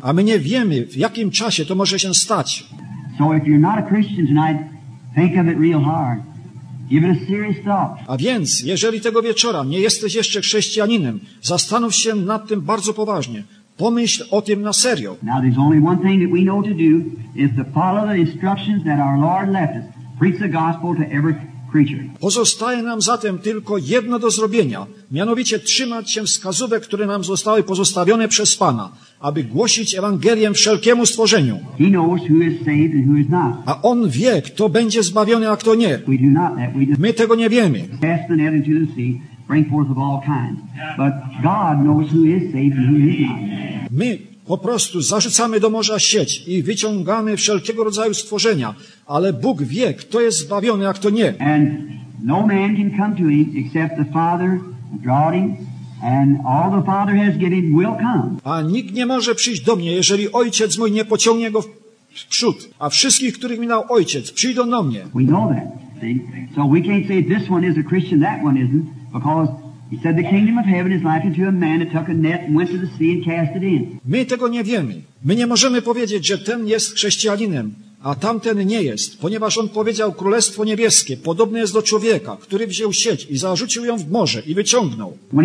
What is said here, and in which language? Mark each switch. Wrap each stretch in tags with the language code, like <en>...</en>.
<pl>A my nie wiemy, w jakim czasie to może się stać.</pl> <en>So if you're not a Christian tonight, think of it real hard. Give it a serious thought.</en> <pl>A więc, jeżeli tego wieczora nie jesteś jeszcze chrześcijaninem, zastanów się nad tym bardzo poważnie. Pomyśl o tym na serio.</pl> <en>Now there's only one thing that we know to do is to follow the instructions that our Lord left us. Preach the gospel to every creature.</en> <pl>Pozostaje nam zatem tylko jedno do zrobienia, mianowicie trzymać się wskazówek, które nam zostały pozostawione przez Pana, aby głosić Ewangelię wszelkiemu stworzeniu.</pl> <en>He knows who is saved and who is not.</en> <pl>A On wie, kto będzie zbawiony, a kto nie.</pl> <en>We do not that. We just...</en> <pl>My tego nie wiemy.</pl> <en>Cast the net into the sea, bring forth of all kinds. But God knows who is saved and who is not.</en> <pl>My po prostu zarzucamy do morza sieć i wyciągamy wszelkiego rodzaju stworzenia, ale Bóg wie, kto jest zbawiony, a kto nie.</pl> <en>And no man can come to him except the Father drawing. And all the Father has given will come.</en> <pl>A nikt nie może przyjść do mnie, jeżeli Ojciec mój nie pociągnie go w przód. A wszystkich, których mi dał Ojciec, przyjdą do mnie.</pl> <en>We know that. See? So we can't say this one is a Christian, that one isn't, because he said the kingdom of heaven is likened to a man that took a net and went to the sea and cast it in.</en> <pl>My tego nie wiemy. My nie możemy powiedzieć, że ten jest chrześcijaninem, a tamten nie jest, ponieważ on powiedział, Królestwo Niebieskie podobne jest do człowieka, który wziął sieć i zarzucił ją w morze i wyciągnął.</pl>